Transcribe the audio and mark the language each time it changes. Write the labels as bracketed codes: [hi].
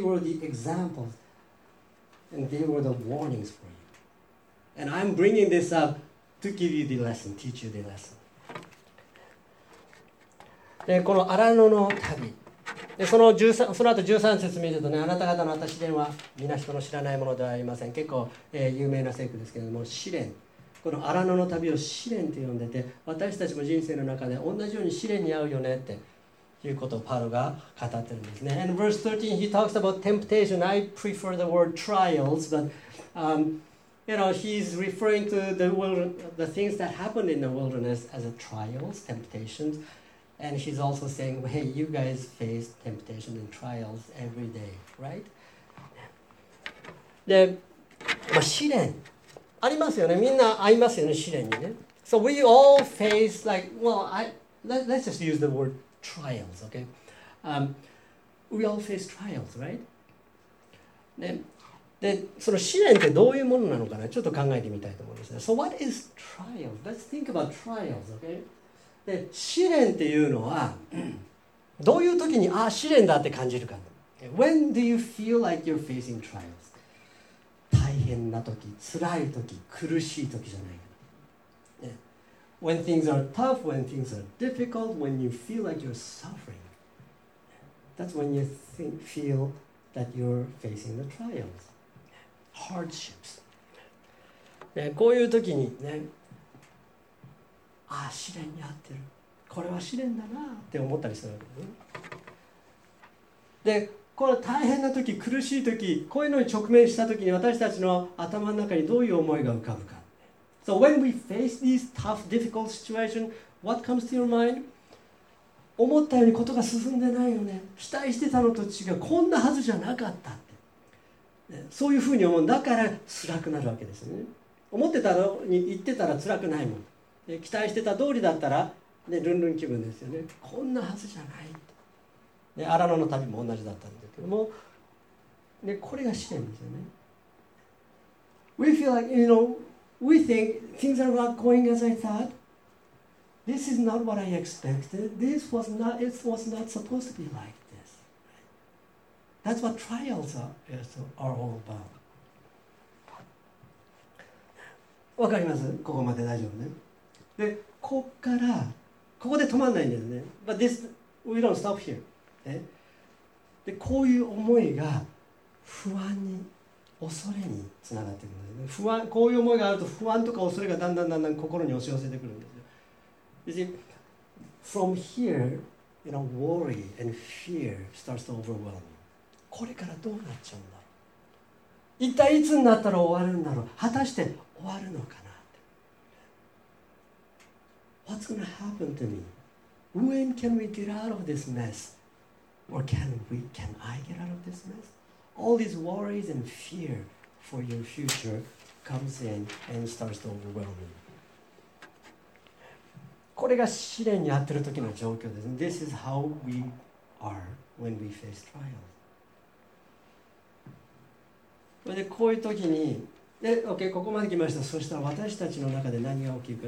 [en] They were the examples and they were the warnings for you. And I'm bringing this up to give you the lesson, teach you the lesson. [ja] でこの荒野の旅で その後13節見るとね、あなた方の試練は皆人の知らないものではありません。結構、有名な聖句ですけれども、試練、この荒野の旅を試練と呼んでて、私たちも人生の中で同じように試練に遭うよねっていうことをパウロが語ってるんですね。 [en] And verse 13 he talks about temptation. I prefer the word trials, but you know, he's referring to the things that happened in the wilderness as a trials, temptationsAnd he's also saying, hey, you guys face temptation and trials every day, right? [ja] で、まあ、試練ありますよね。みんな合いますよね、試練にね。 [en] So we all face like, well, let's just use the word trials, okay? We all face trials, right? [ja] で、その試練ってどういうものなのかな、ちょっと考えてみたいと思うんですね。 [en] So what is trials? Let's think about trials, okay? [ja] で試練っていうのはどういう時に、ああ試練だって感じるか。 [en] When do you feel like you're facing trials? [ja] 大変な時、辛い時、苦しい時じゃないか。 [en] When things are tough, when things are difficult, when you feel like you're suffering, that's when you feel that you're facing the trials, hardships. [ja] こういう時にね、ああ試練に合ってる、これは試練だなって思ったりするわけですね。でこの大変な時、苦しい時、こういうのに直面した時に、私たちの頭の中にどういう思いが浮かぶか。 [en] So when we face these tough, difficult situations, what comes to your mind? [ja] 思ったようにことが進んでないよね、期待してたのと違う、こんなはずじゃなかったって、ね、そういうふうに思う。だから辛くなるわけですね。思ってたのに言ってたら辛くないもん、期待してた通りだったら、ね、ルンルン気分ですよね。こんなはずじゃない。で、荒野の旅も同じだったんですけども、ね、これが試練ですよね。 [en] We feel like, you know, we think things are not going as I thought. This is not what I expected. It was not supposed to be like this. That's what trials are all about. [ja] わかります？ここまで大丈夫ね。で、こっから、ここで止まらないんですね。 [en] But this, we don't stop here.、 [ja] ね、で、こういう思いが不安に、恐れにつながってくるんですね。不安、こういう思いがあると不安とか恐れがだんだんだんだん心に押し寄せてくるんですよ。 [en] You see, from here, you know, worry and fear starts to overwhelm you. [ja] これからどうなっちゃうんだろう。一体いつになったら終わるんだろう。果たして終わるのかなって。 [en] What's going to happen to me? When can we get out of this mess? Or can I get out of this mess? All these worries and fear for your future comes in and starts to overwhelm you. [ja] これが試練にあってる時の状況です。 [en] This is how we are when we face trials. [ja] それでこういう時に、で、OK、ここまで来ました。そしたら私たちの中で何が起きるか。